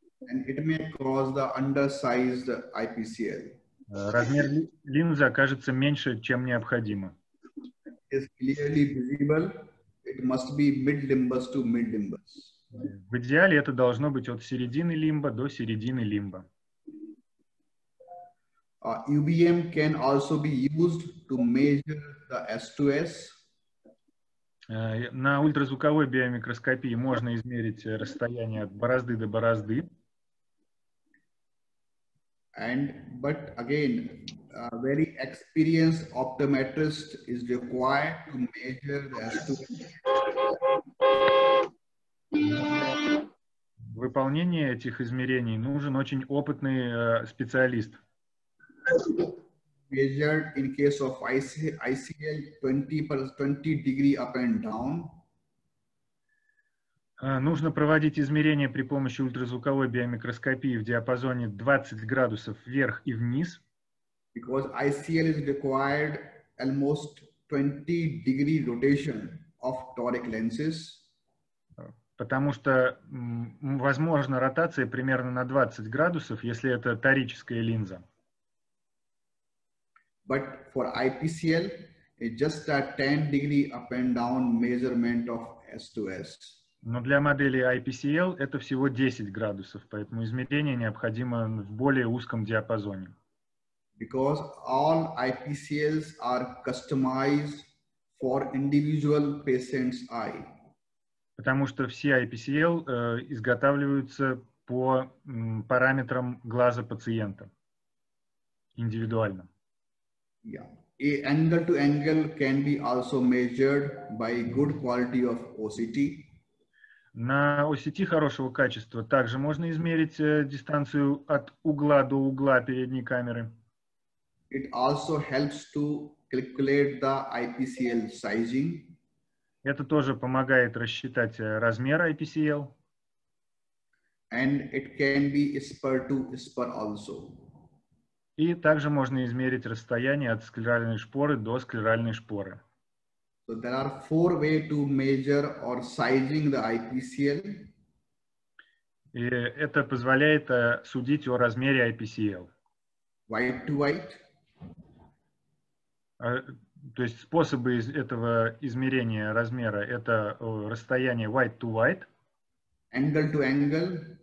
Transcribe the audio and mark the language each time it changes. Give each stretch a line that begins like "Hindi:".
English: then it may cause the undersized IPCL.
Russian: Размер линзы окажется меньше, чем необходимо.
English: It is clearly visible. It must be mid limbus to mid limbus.
Russian: В идеале это должно быть от середины лимба до середины лимба.
English: UVM can also be used to measure the S2S.
Russian: На ультразвуковой биомикроскопии можно измерить расстояние от борозды до борозды.
English: But again, a very experienced optometrist is required to measure the S2S.
Russian: В выполнении этих измерений нужен очень опытный специалист.
English: measured in case of ICL 20 degree up and down.
Russian: Нужно проводить измерения при помощи ультразвуковой биомикроскопии в диапазоне 20 градусов вверх и вниз.
English: Because ICL is required almost 20 degree rotation of toric lenses.
Russian: Потому что возможна ротация примерно на 20 градусов, если это торическая линза.
English: But for IPCL, it's just a 10 degree up and down measurement of S2S.
Russian: Но для модели IPCL это всего 10 градусов, поэтому измерение необходимо в более узком диапазоне.
English: Because all IPCLs are customized for individual patient's eye.
Russian: Потому что все IPCL изготавливаются по параметрам глаза пациента индивидуально.
English: Yeah. Angle to angle can be also measured by good quality of OCT.
Russian: На OCT хорошего качества также можно измерить дистанцию от угла до угла передней камеры.
English: It also helps to calculate the IPCL sizing.
Russian: Это тоже помогает рассчитать размер IPCL.
English: And it can be spur to spur also.
Russian: И также можно измерить расстояние от склеральной шпоры до склеральной шпоры.
English: So there are four ways to measure or sizing the IPCL.
Russian: И это позволяет судить о размере IPCL.
English: White to white.
Russian: То есть способы из этого измерения размера это расстояние white to white.
English: Angle to angle.